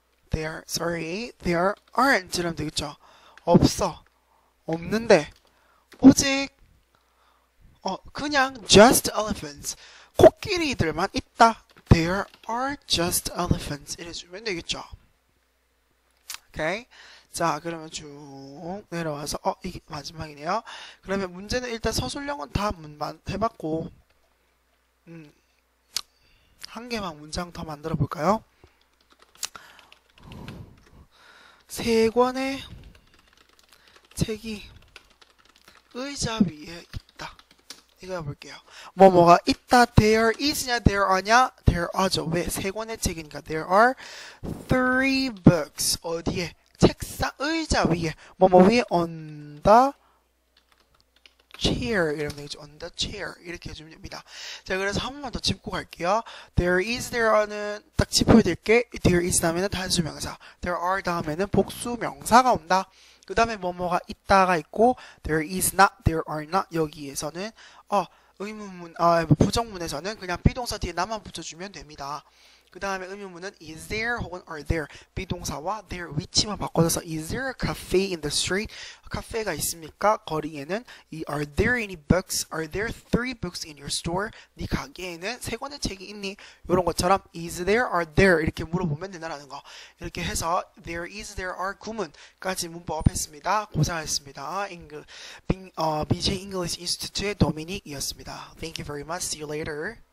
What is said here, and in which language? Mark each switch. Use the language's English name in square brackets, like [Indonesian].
[English] There aren't 이러면 되겠죠. [Korean] 없어. 없는데. 오직 그냥 [English] just elephants. [Korean] 코끼리들만 있다. [English] There are just elephants [Korean] 이래주면 되겠죠. 오케이. 자, 그러면 쭉 내려와서 이게 마지막이네요. 그러면 문제는 일단 서술형은 다 문만 해봤고 한 개만 문장 더 만들어 볼까요? 세 권의 책이 의자 위에 있다. 이거 해볼게요. 뭐뭐가 있다. There is냐, there are냐? [English] There are죠. [Korean] 왜? 세 권의 책이니까. [English] There are three books. [Korean] 어디에? 책상, 의자 위에. 뭐뭐 위에? [English] On the chair. [Korean] 이러면 되겠죠. On the chair. 이렇게 해주면 됩니다. 자, 그래서 한 번만 더 짚고 갈게요. There is, there are는 딱 짚어드릴게. There is 다음에는 단수 명사. There are 다음에는 복수 명사가 온다. 그 다음에 뭐뭐가 있다가 있고, There is not, there are not. 여기에서는, 의문문, 부정문에서는 그냥 be 동사 뒤에 나만 붙여주면 됩니다. 그 다음에 의문문은 is there 혹은 are there. 비동사와 there 위치만 바꿔줘서 [English] is there a cafe in the street? [Korean] 카페가 있습니까? 거리에는 [English] are there any books? Are there three books in your store? [Korean] 네 가게에는 세 권의 책이 있니? 이런 것처럼 is there, are there 이렇게 물어보면 된다라는 거. 이렇게 해서 there is, there are 구문까지 문법 했습니다. 고생하셨습니다. [English] BJ English Institute의 [Korean] 도미닉이었습니다. [English] Thank you very much. See you later.